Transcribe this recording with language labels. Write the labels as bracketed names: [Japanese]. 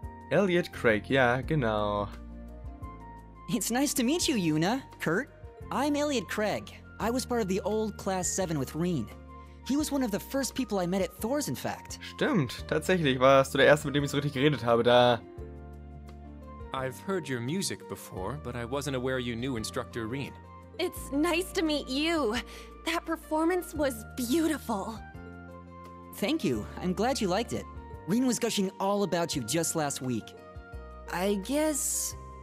[German] Elliot Craig, ja, genau. [English] It's nice to meet you, Yuna. Kurt, I'm Elliot Craig. I was part of the old Class 7 with Reen. He was one of the first people I met at Thor's, in fact. [German] Stimmt, tatsächlich warst du der Erste, mit dem ich so richtig geredet habe, da. [English] I've heard your music before, but I wasn't aware you knew Instructor Reen. It's nice to meet you. That performance was beautiful. Thank you. I'm glad you liked it. Reen was gushing all about you just last week. I guess...